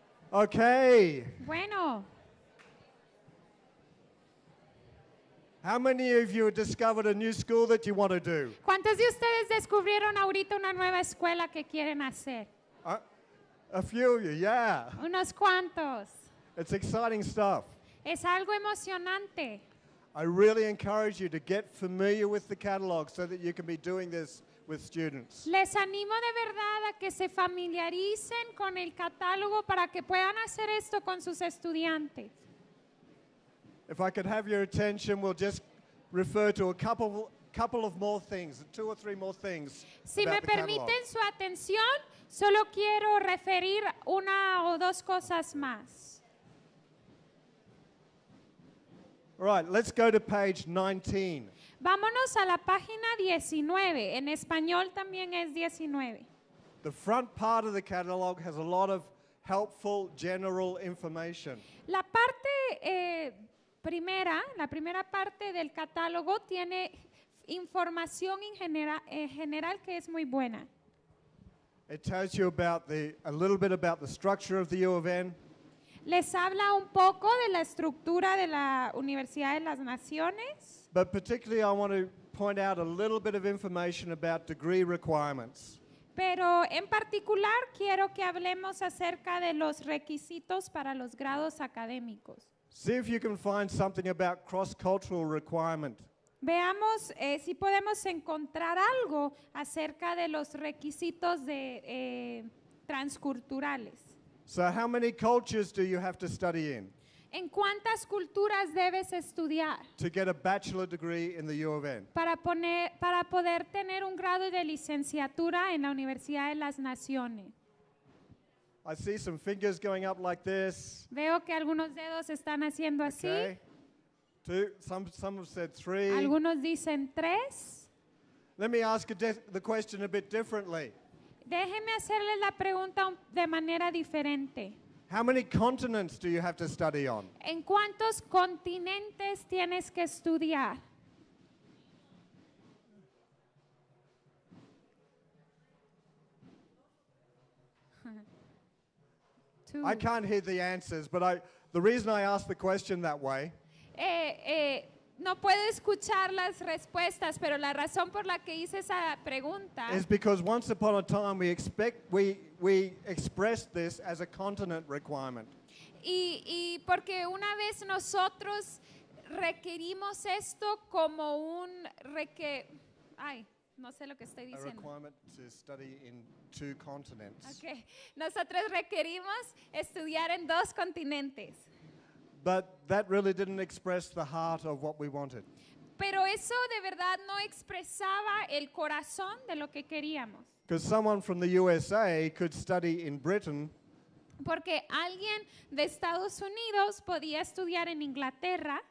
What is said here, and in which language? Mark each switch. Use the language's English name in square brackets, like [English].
[English] Okay. [Spanish] Bueno. [English] How many of you have discovered a new school that you want to do? [Spanish] ¿Cuántos de ustedes descubrieron ahorita una nueva escuela que quieren hacer? [English] A few of you, yeah. [Spanish] Unos cuantos. [English] It's exciting stuff. [Spanish] Es algo emocionante. [English] I really encourage you to get familiar with the catalog so that you can be doing this with students. [Spanish] Les animo de verdad a que se familiaricen con el catálogo para que puedan hacer esto con sus estudiantes. [English] If I could have your attention, we'll just refer to a couple of more things, two or three more things. [Spanish] Si me permiten su atención, solo quiero referir una o dos cosas más. [English] All right, let's go to page 19. [Spanish] Vámonos a la página 19. En español también es 19. [English] The front part of the catalog has a lot of helpful general information. [Spanish] La parte la primera parte del catálogo tiene información en general que es muy buena. [English] It tells you a little bit about the structure of the U of N. [Spanish] Les habla un poco de la estructura de la Universidad de las Naciones. [English] But particularly I want to point out a little bit of information about degree requirements. [Spanish] Pero en particular quiero que hablemos acerca de los requisitos para los grados académicos. [English] See if you can find something about cross-cultural requirement. [Spanish] Veamos si podemos encontrar algo acerca de los requisitos de transculturales. [English] So how many cultures do you have to study in? [Spanish] ¿En cuántas culturas debes estudiar? [English] To get a bachelor degree in the U of N. [Spanish] Para poder tener un grado de licenciatura en la Universidad de las Naciones. [English] I see some fingers going up like this. [Spanish] Veo que algunos dedos están haciendo así. [English] Okay. Two. Some have said three. [Spanish] Algunos dicen tres. [English] Let me ask the question a bit differently. [Spanish] Déjeme hacerle la pregunta de manera diferente. [English] How many continents do you have to study on? [Spanish] ¿En cuántos continentes tienes que estudiar? [English] I can't hear the answers, but the reason I ask the question that way. [Spanish] No puedo escuchar las respuestas, pero la razón por la que hice esa pregunta [English] is because once upon a time we expressed this as a continent requirement. [Spanish] Y porque una vez nosotros requerimos esto como un no sé lo que estoy diciendo. [English] A requirement to study in two continents. [Spanish] Okay. Nosotros requerimos estudiar en dos continentes. [English] But that really didn't express the heart of what we wanted. [Spanish] Pero eso de verdad no expresaba el corazón de lo que queríamos. [English] Because someone from the USA could study in Britain [Spanish] Porque alguien de Estados Unidos podía estudiar en Inglaterra.